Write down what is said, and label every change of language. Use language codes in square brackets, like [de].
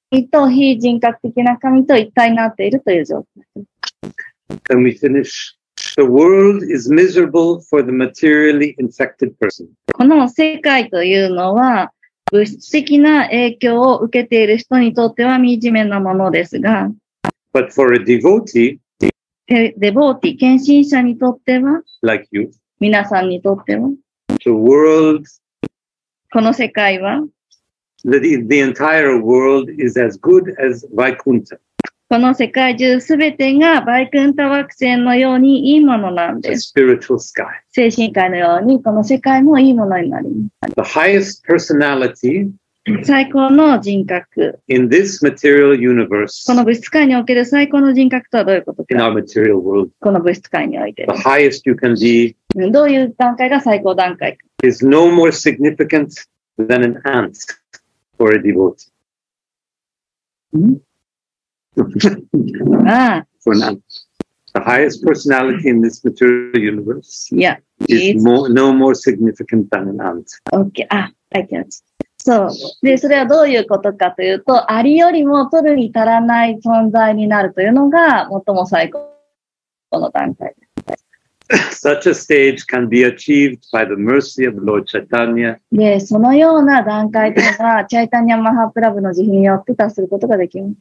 [ja] と非人格的な神と一体になっているという状態。 [en] Can we finish? The world is miserable for the materially infected person. [ja] この世界というのは物質的な影響を受けている人にとっては惨めなものですが、 [en] But for a devotee, [ja] devotee, 献身者にとっては、 [en] like you, [ja] 皆さんにとっては、 [en] the world, [ja] この世界は、 [en] the entire world is as good as Vaikuntha. [ja] この世界中すべてがバイクンタ惑星のようにいいものなんです。 [en] A spiritual sky. [ja] 精神界のようにこの世界もいいものになります。 [en] The highest personality [ja] 最高の人格 [en] in this material universe [ja] この物質界における最高の人格とはどういうことか [en] in our material world [ja] この物質界において [en] the highest you can be [ja] どういう段階が最高段階か [en] is no more significant than an ant for a devotee. ん? For now, the highest personality in this material universe yeah, is more, no more significant than an ant. Okay, ah, thank you. [ja] So, で、それはどういうことかというと、アリよりも取るに足らない存在になるというのが最も最高の段階です。 [en] Such a stage can be achieved by the mercy of Lord Chaitanya. [ja] で、そのような段階では、チャイタニアマハプラブの慈悲によって達することができます。